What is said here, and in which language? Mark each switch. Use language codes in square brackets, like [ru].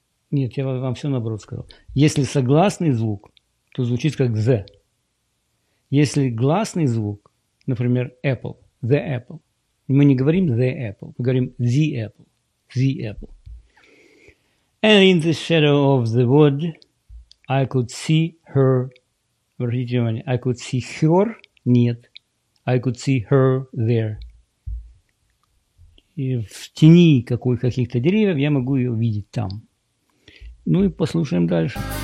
[ru] Нет, я вам все наоборот сказал. Если согласный звук, то звучит как the. Если гласный звук, например, apple, the apple, мы не говорим the apple, мы говорим the apple, the apple. [en] And in the shadow of the wood, I could see her. [ru] Обратите внимание, [en] I could see her, нет. I could see her there. [ru] И в тени каких-то деревьев я могу ее видеть там. Ну и послушаем дальше.